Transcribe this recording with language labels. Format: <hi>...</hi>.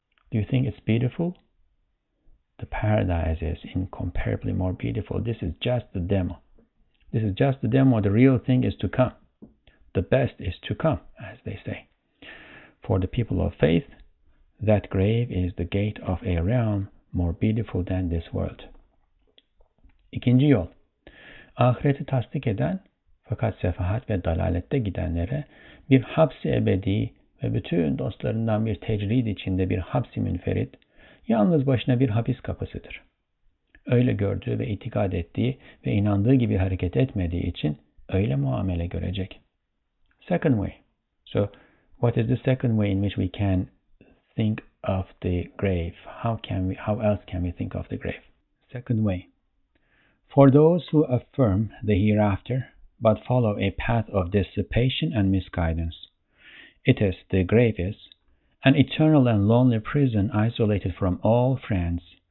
<en>Do you think it's beautiful? The paradise is incomparably more beautiful. This is just the demo. This is just the demo. The real thing is to come. The best is to come, as they say. For the people of faith, that grave is the gate of a realm more beautiful than this world.</en> <tr>İkinci yol. Ahireti tasdik eden, fakat sefahat ve dalalette gidenlere bir hapsi ebedi ve bütün dostlarından bir tecrid içinde bir hapsi münferit, yalnız başına bir hapis kapısıdır. Öyle gördüğü ve itikad ettiği ve inandığı gibi hareket etmediği için öyle muamele görecek.</tr> <en>Second way. So, what is the second way in which we can think of the grave? How else can we think of the grave? Second way. For those who affirm the hereafter, but follow a path of dissipation and misguidance, it is the grave is an eternal and lonely prison isolated from all friends.</en>